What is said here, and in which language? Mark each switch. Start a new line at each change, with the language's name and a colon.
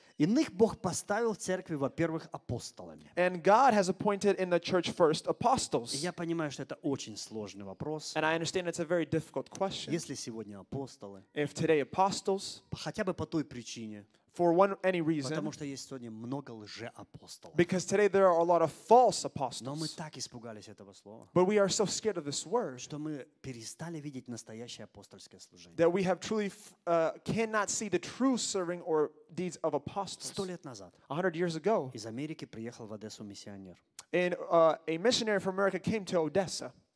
Russian: Иных Бог поставил в церкви, во-первых, апостолами.
English: And God has appointed in the church first apostles.
Russian: Я понимаю, что это очень сложный вопрос.
English: And I understand it's a very difficult question.
Russian: Если сегодня апостолы,
English: if today apostles,
Russian: хотя бы по той причине,
English: for one any reason,
Russian: потому что есть сегодня много лжеапостолов.
English: Because today there are a lot of false apostles.
Russian: Но мы так испугались этого слова.
English: But we are so scared of this word,
Russian: что мы перестали видеть настоящее апостольское служение.
English: That we have truly cannot see the true serving or deeds of apostles.
Russian: 100 лет назад.
English: 100 years ago.
Russian: Из Америки приехал в Одессу миссионер.
English: And a missionary from America came to Odessa.